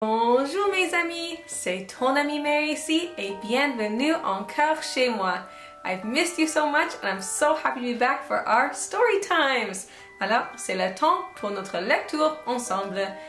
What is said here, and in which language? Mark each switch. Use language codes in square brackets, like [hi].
[fr] Bonjour mes amis, c'est ton ami Mary ici et bienvenue encore chez moi. [en] I've missed you so much and I'm so happy to be back for our story times. [fr] Alors, c'est le temps pour notre lecture ensemble.